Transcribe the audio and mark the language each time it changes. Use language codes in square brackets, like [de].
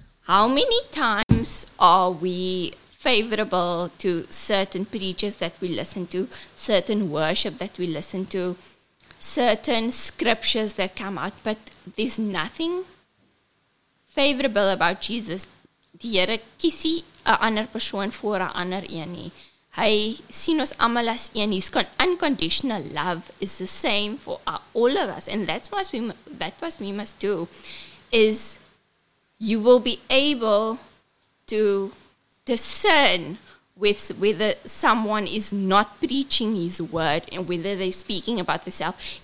[en] How many times are we favorable to certain preachers that we listen to, certain worship that we listen to, certain scriptures that come out, but there's nothing favorable about Jesus? [af] Die Here kies 'n ander persoon voor 'n ander een nie. Hy sien ons almal as een. [en] His unconditional love is the same for all of us, and that's what we must do. Is you will be able to discern with whether someone is not preaching his word and whether they're speaking about themselves.